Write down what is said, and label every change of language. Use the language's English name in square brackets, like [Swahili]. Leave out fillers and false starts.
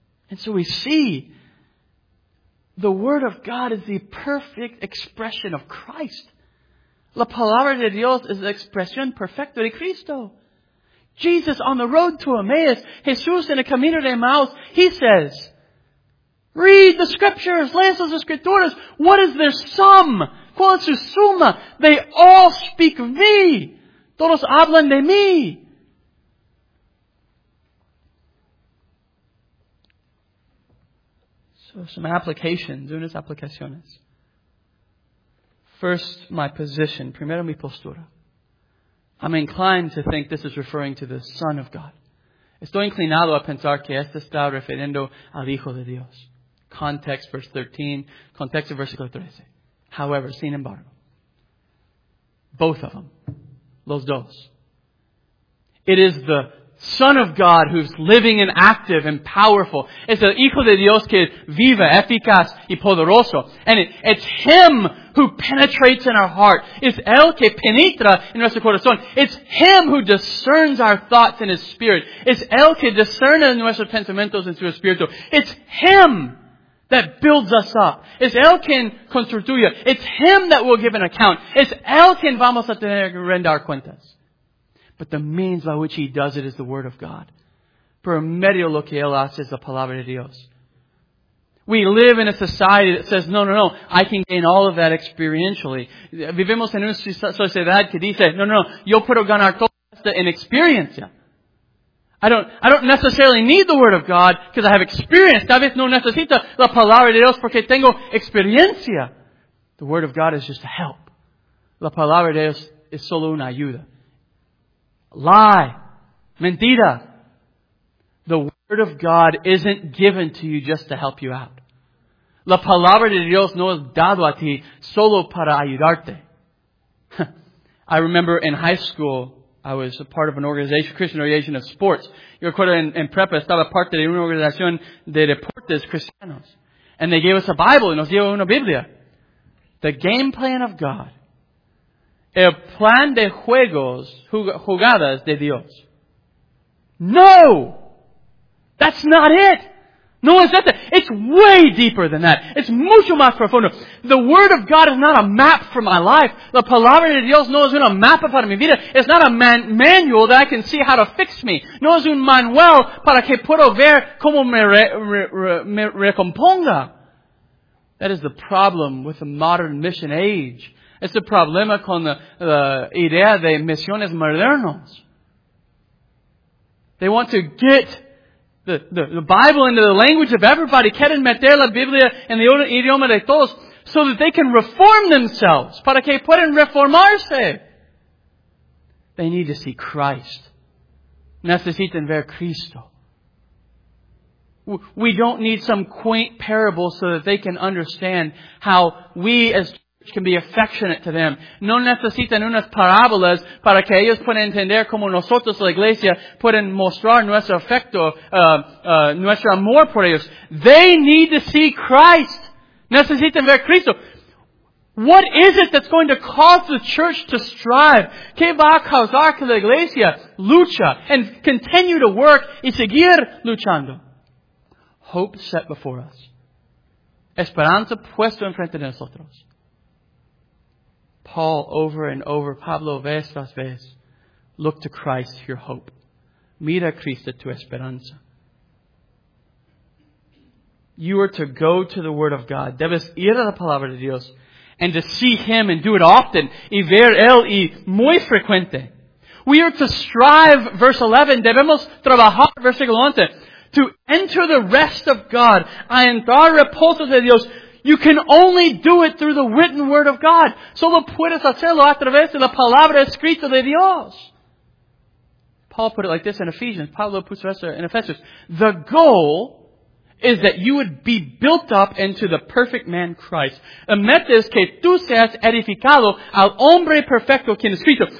[English] And so we see, the Word of God is the perfect expression of Christ. [Spanish] La Palabra de Dios es la expresión perfecta de Cristo. [English] Jesus on the road to Emmaus, [Spanish] Jesús en el camino de Emmaus, [English] He says, read the Scriptures, [Spanish] lees las Escrituras. [English] What is their sum? [Spanish] ¿Cuál es su suma? [English] They all speak of Me. [Spanish] Todos hablan de Mí. [English] some [Spanish] aplicaciones, unas aplicaciones. [English] First, my position. [Spanish] Primero, mi postura. [English] I'm inclined to think this is referring to the Son of God. [Spanish] Estoy inclinado a pensar que esto está refiriendo al Hijo de Dios. [English] Context, verse 13. Context of versículo 13. However, [Spanish] sin embargo. [English] Both of them. [Spanish] Los dos. [English] It is the Son of God who's living and active and powerful. [Spanish] Es el Hijo de Dios que vive, eficaz y poderoso. [English] And it's Him who penetrates in our heart. [Spanish] Es Él que penetra en nuestro corazón. [English] It's Him who discerns our thoughts in His Spirit. [Spanish] Es Él que discerne nuestros pensamientos en su Espíritu. [English] It's Him that builds us up. [Spanish] Es Él quien construye. [English] It's Him that will give an account. [Spanish] Es Él quien vamos a tener que rendir cuentas. [English] But the means by which He does it is the Word of God. [Spanish] Por medio lo que Él hace es la Palabra de Dios. [English] We live in a society that says, no, no, no, I can gain all of that experientially. [Spanish] Vivimos en una sociedad que dice, no, no, no, yo puedo ganar todo esto en experiencia. [English] I don't necessarily need the Word of God because I have experience. [Spanish] Tal vez no necesito la Palabra de Dios porque tengo experiencia. [English] The Word of God is just a help. [Spanish] La Palabra de Dios es solo una ayuda. [English] Lie. [Spanish] Mentira. [English] The Word of God isn't given to you just to help you out. [Spanish] La Palabra de Dios no es dado a ti solo para ayudarte. [English] I remember in high school, I was a part of an organization, Christian organization of sports. [Spanish] Yo recuerdo en prepa, estaba parte de una organización de deportes cristianos. [English] And they gave us a Bible, [Spanish] y nos dio una Biblia. [English] The game plan of God. [Spanish] El plan de juegos, jugadas de Dios. [English] No! That's not it! [Spanish] No, es esto. [English] It's way deeper than that. It's [Spanish] mucho más profundo. [English] The Word of God is not a map for my life. [Spanish] La Palabra de Dios no es una mapa para mi vida. [English] It's not a manual that I can see how to fix me. [Spanish] No es un manual para que puedo ver cómo me recomponga. [English] That is the problem with the modern mission age. [Spanish] Es el problema con la idea de misiones modernas. [English] They want to get the Bible into the language of everybody. [Spanish] Quieren meter la Biblia en el idioma de todos [English] so that they can reform themselves. [Spanish] Para que puedan reformarse. [English] They need to see Christ. [Spanish] Necesitan ver Cristo. [English] We don't need some quaint parable so that they can understand how we as can be affectionate to them. [Spanish] No necesitan unas parábolas para que ellos puedan entender cómo nosotros, la iglesia, pueden mostrar nuestro afecto, nuestro amor por ellos. [English] They need to see Christ. [Spanish] Necesitan ver Cristo. [English] What is it that's going to cause the church to strive? [Spanish] ¿Qué va a causar que la iglesia lucha [English] and continue to work [Spanish] y seguir luchando? [English] Hope set before us. [Spanish] Esperanza puesta enfrente de nosotros. [English] Paul, over and over, [Spanish] Pablo, vez tras vez, [English] look to Christ, your hope. [Spanish] Mira a Cristo, tu esperanza. [English] You are to go to the Word of God. [Spanish] Debes ir a la Palabra de Dios. [English] And to see Him and do it often. [Spanish] Y ver Él y muy frecuente. [English] We are to strive, verse 11. [Spanish] Debemos trabajar, versículo 11. [English] To enter the rest of God. [Spanish] A entrar reposo de Dios. [English] You can only do it through the written Word of God. [Spanish] Solo puedes hacerlo a través de la Palabra escrita de Dios. [English] Paul put it like this in Ephesians. [Spanish] Pablo puso esto [English] in Ephesians. The goal is that you would be built up into the perfect man Christ. [Spanish] La meta es que tú seas edificado al hombre perfecto quien es Cristo.